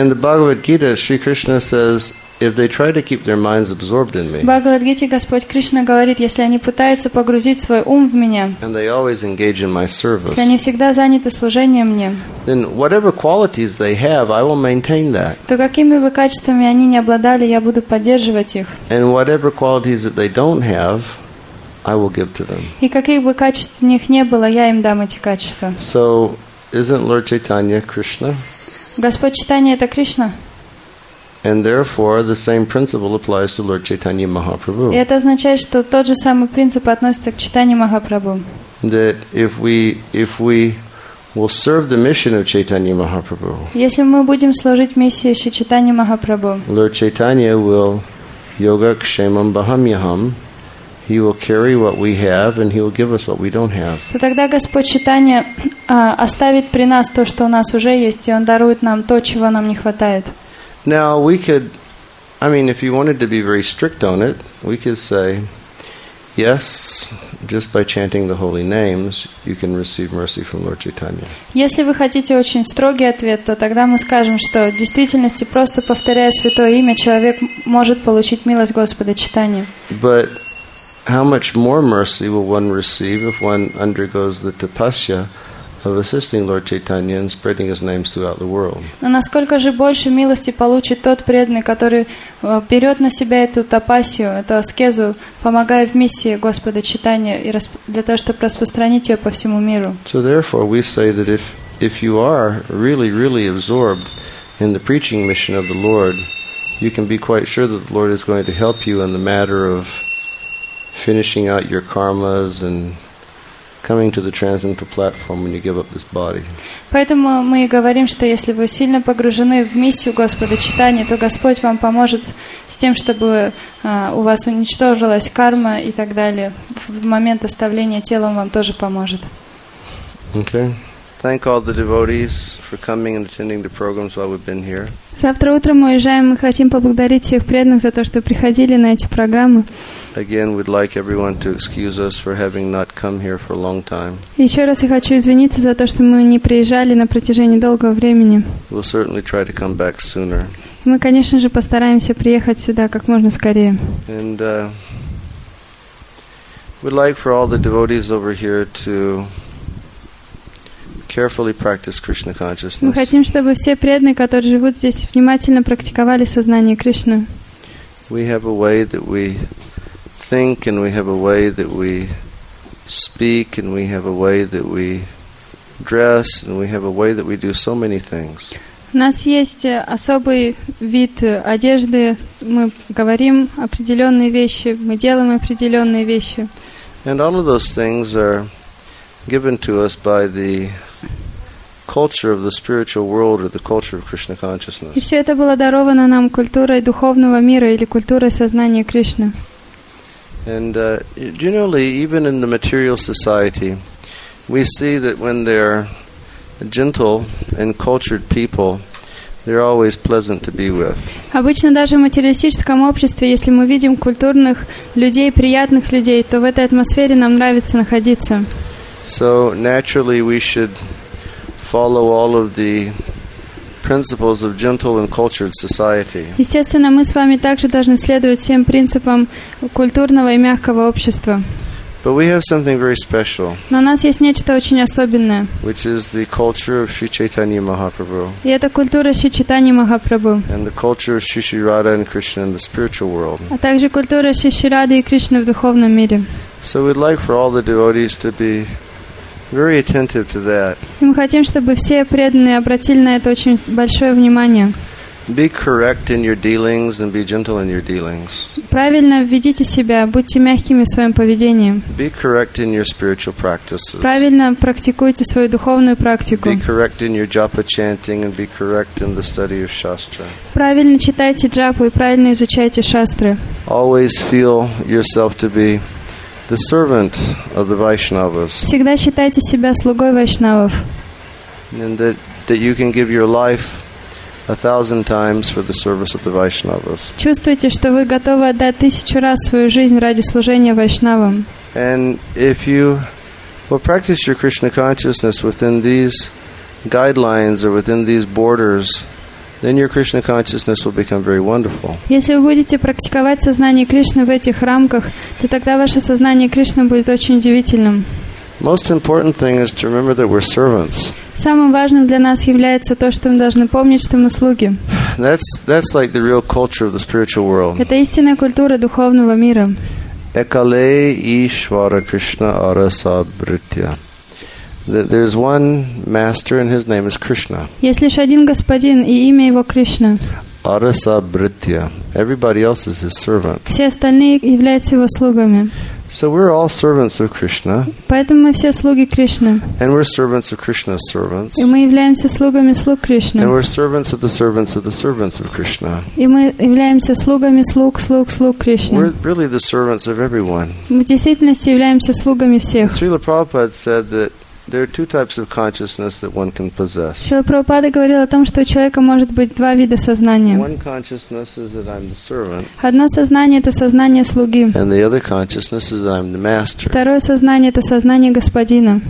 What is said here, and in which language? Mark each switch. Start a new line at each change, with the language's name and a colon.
English: In the Bhagavad Gita, Sri Krishna says, if they try to keep their minds absorbed in me.
Russian: Бхагавад-гите Господь Кришна говорит, если они пытаются погрузить свой ум в меня.
English: And they always engage in my service.
Russian: Если они всегда заняты служением мне.
English: Then whatever qualities they have, I will maintain that.
Russian: То какими бы качествами они ни обладали, я буду поддерживать их.
English: And whatever qualities that they don't have, I will give to them.
Russian: И каких бы качеств у них не было, я им дам эти качества.
English: So isn't Lord Chaitanya Krishna?
Russian: Господь Чайтанья это Кришна.
English: And therefore, the same principle applies to Lord Chaitanya Mahaprabhu.
Russian: Это означает, что тот же самый принцип относится к Чайтанье Махапрабху.
English: That if we will serve the mission of Chaitanya Mahaprabhu.
Russian: Если мы будем служить миссии Шри Чайтаньи Махапрабху.
English: Lord Chaitanya will
Sanskrit: yoga kshemam bahamyaham.
English: He will carry what we have, and he will give us what we don't have.
Russian: То тогда Господь Чайтанья оставит при нас то, что у нас уже есть, и он дарует нам то, чего нам не хватает.
English: Now we could, I mean, if you wanted to be very strict on it, we could say, yes, just by chanting the holy names, you can receive mercy from Lord Chaitanya.
Russian: Если вы хотите очень строгий ответ, то тогда мы скажем, что в действительности просто повторяя святое имя, человек может получить милость Господа Чайтаньи.
English: But how much more mercy will one receive if one undergoes the tapasya of assisting Lord Chaitanya and spreading his names throughout the world.
Russian: Но насколько же больше милости получит тот преданный, который берет на себя эту тапасию, эту аскезу, помогая в миссии Господа Чайтанья и для того, чтобы распространить ее по всему миру.
English: So therefore we say that if you are really, really absorbed in the preaching mission of the Lord, you can be quite sure that the Lord is going to help you in the matter of finishing out your karmas and coming to the transcendental platform when you give up this body.
Russian: Поэтому мы говорим, что если вы сильно погружены в миссию Господа Читания, то Господь вам поможет с тем, чтобы у вас уничтожилась карма и так далее. В момент оставления тела он вам тоже поможет.
English: Okay. Thank all the devotees for coming and attending the programs while we've been here.
Russian: Завтра утром мы уезжаем, мы хотим поблагодарить всех преданных за то, что приходили на эти программы.
English: Again, we'd like everyone to excuse us for having not come here for a long time.
Russian: Еще раз я хочу извиниться за то, что мы не приезжали на протяжении долгого времени.
English: We'll certainly try to come back sooner.
Russian: Мы, конечно же, постараемся приехать сюда как можно скорее.
English: And we'd like for all the devotees over here to carefully practice Krishna consciousness.
Russian: Мы хотим, чтобы все преданные, которые живут здесь, внимательно практиковали сознание Кришны.
English: We have a way that we think, and we have a way that we speak, and we have a way that we dress, and we have a way that we do so many things.
Russian: У нас есть особый вид одежды. Мы говорим определенные вещи. Мы делаем определенные вещи.
English: And all of those things are given to us by the culture of the spiritual world or the culture of Krishna consciousness.
Russian: И все это было даровано нам культурой духовного мира или культурой сознания Кришны.
English: And generally, even in the material society, we see that when they're gentle and cultured people, they're always pleasant to be with.
Russian: Обычно даже в материалистическом обществе, если мы видим культурных людей, приятных людей, то в этой атмосфере нам нравится находиться.
English: So naturally, we should follow all of the principles of gentle and cultured society.
Russian: Естественно, мы с вами также должны следовать всем принципам культурного и мягкого общества.
English: But we have something very special.
Russian: Но у нас есть нечто очень особенное.
English: Which is the culture of Sri Chaitanya Mahaprabhu.
Russian: И это культура Шри Чайтаньи Махапрабху.
English: And the culture of Sri Sri Radha and Krishna in the spiritual world.
Russian: А также культура Шри Сри Рады и Кришны в духовном мире.
English: So we'd like for all the devotees to be very attentive to that.
Russian: И мы хотим, чтобы все преданные обратили на это очень большое внимание.
English: Be correct in your dealings and be gentle in your dealings.
Russian: Правильно ведите себя, будьте мягкими в своем поведении.
English: Be correct in your spiritual practices.
Russian: Правильно практикуйте свою духовную практику.
English: Be correct in your japa chanting and be correct in the study of shastra.
Russian: Правильно читайте джапу и правильно изучайте шастры.
English: Always feel yourself to be the servant of the Vaishnavas.
Russian: Всегда считайте себя слугой Вайшнавов.
English: And that you can give your life 1,000 times for the service of the Vaishnavas.
Russian: Чувствуйте, что вы готовы отдать 1,000 раз свою жизнь ради служения Вайшнавам.
English: And if you will practice your Krishna consciousness within these guidelines or within these borders, then your Krishna consciousness will become very wonderful.
Russian: Если вы будете практиковать сознание Кришны в этих рамках, то тогда ваше сознание Кришны будет очень удивительным.
English: Most important thing is to remember that we're servants.
Russian: Самым важным для нас является то, что мы должны помнить, что мы слуги.
English: That's like the real culture of the spiritual world.
Russian: Это истинная культура духовного мира.
Bangla: Ekale Ishvara Krishna Arasabritya.
English: That there's one master and his name is Krishna.
Russian: Есть лишь один господин и имя его Кришна.
Bangla: Arasa Britya.
English: Everybody else is his servant.
Russian: Все остальные являются его слугами.
English: So we're all servants of Krishna.
Russian: Поэтому мы все слуги Кришны.
English: And we're servants of Krishna's servants.
Russian: И мы являемся слугами слуг Кришны.
English: And we're servants of the servants of the servants of Krishna.
Russian: И мы являемся слугами слуг Кришны.
English: We're really the servants of everyone.
Russian: Мы действительно являемся слугами всех.
English: Srila Prabhupada said that there are two types of consciousness that one can possess.
Russian: Шрила Прабхупада говорил о том, что у человека может быть два вида сознания.
English: One consciousness is that I'm the servant.
Russian: Одно сознание — это сознание слуги.
English: And the other consciousness is that I'm the master.
Russian: Второе сознание — это сознание господина.